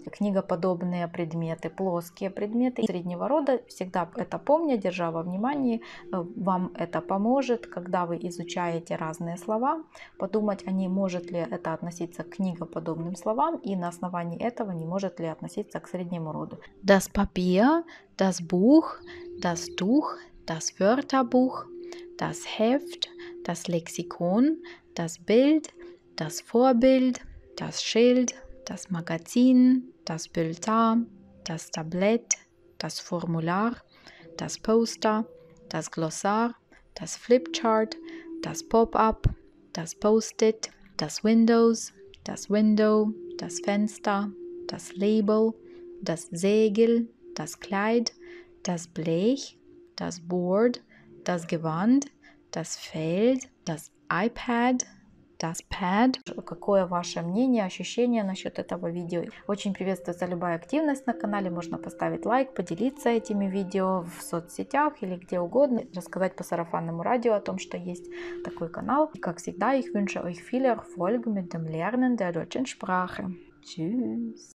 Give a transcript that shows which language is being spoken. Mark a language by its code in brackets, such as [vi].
[ru] Книгоподобные предметы, плоские предметы среднего рода. Всегда это помня, держа во внимании, вам это поможет, когда вы изучаете разные слова, подумать, а не может ли это относиться к книгоподобным словам, и на основании этого не может ли относиться к среднему роду. [de] Das Papier, das Buch, das Tuch, das Wörterbuch, das Heft, das Lexikon, das Bild, das Vorbild, das Schild, das Magazin, das Bulletin, das Tablett, das Formular, das Poster, das Glossar, das Flipchart, das Pop-up, das Post-it, das Windows, das Window, das Fenster, das Label, das Segel, das Kleid, das Blech, das Board, das Gewand, das Feld, das iPad, das Pad. [ru] Какое ваше мнение, ощущение насчет этого видео? Очень приветствуется любая активность на канале. Можно поставить лайк, поделиться этими видео в соцсетях или где угодно. Рассказать по сарафанному радио о том, что есть такой канал. И как всегда, [de] ich wünsche euch viel Erfolg mit dem Lernen der deutschen Sprache. Tschüss!